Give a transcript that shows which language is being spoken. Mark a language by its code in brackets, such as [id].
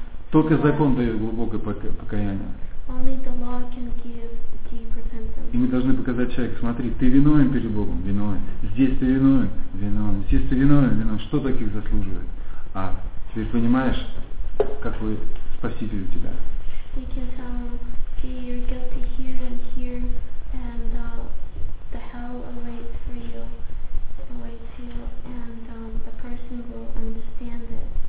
[ru] Только закон дает глубокое покаяние. [en] Only the law can give deep repentance. [ru] И мы должны показать человеку, смотри, ты виновен перед Богом, виновен. Здесь ты виновен, виновен. Здесь ты виновен, виновен. Что таких заслуживает? А теперь понимаешь, какой Спаситель у тебя. [en] We can tell him, see, you're guilty here and here, and the hell awaits for you, awaits you, and the person will understand it.